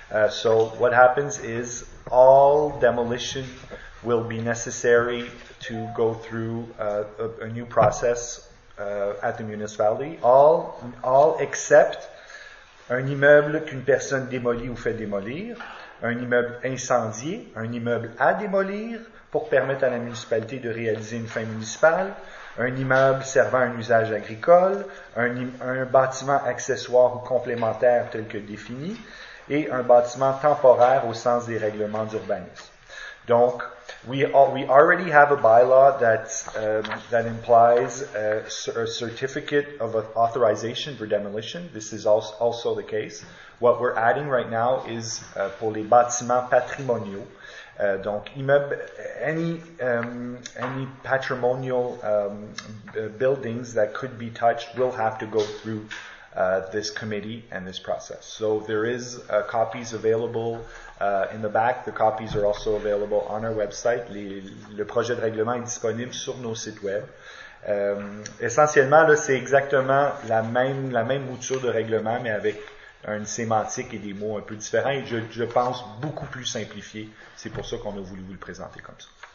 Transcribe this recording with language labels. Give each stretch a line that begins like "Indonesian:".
English: So what happens is all demolition will be necessary to go through a new process at the municipality. All except
French: un immeuble qu'une personne démolit ou fait démolir, un immeuble incendié, un immeuble à démolir pour permettre à la municipalité de réaliser une fin municipale, un immeuble servant à un usage agricole, un bâtiment accessoire ou complémentaire tel que défini, et un bâtiment temporaire au sens des règlements d'urbanisme.
English: Donc, we already have a bylaw that implies a certificate of authorization for demolition. This is also the case. What we're adding right now is
French: pour les bâtiments patrimoniaux.
English: Donc, any patrimonial buildings that could be touched will have to go through this committee and this process. So there is copies available in the back. The copies are also available on our website.
French: Le projet de règlement est disponible sur nos sites web. Essentiellement, là, c'est exactement la même mouture de règlement, mais avec une sémantique et des mots un peu différents. Et je pense beaucoup plus simplifié. C'est pour ça qu'on a voulu vous le présenter comme ça.